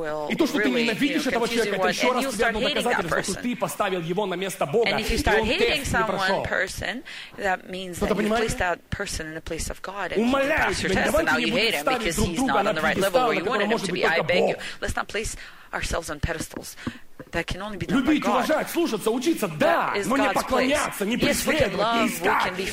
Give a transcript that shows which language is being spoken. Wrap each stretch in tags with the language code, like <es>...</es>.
<ru>И то, что ты ненавидишь этого человека, это еще раз тебе одно доказательство, что ты поставил его на место Бога, и он тест не прошел. Кто-то понимаете? Умоляю тебя, не давайте</ru> <en>you hate him because he's not on the right level where you want him to be. I beg you, let's not place ourselves on pedestals. That can only be done</en> <ru>любить,</ru> <en>by God.</en> <ru>Уважать, слушаться, учиться, да, но не поклоняться, не преследовать, не искать.</ru>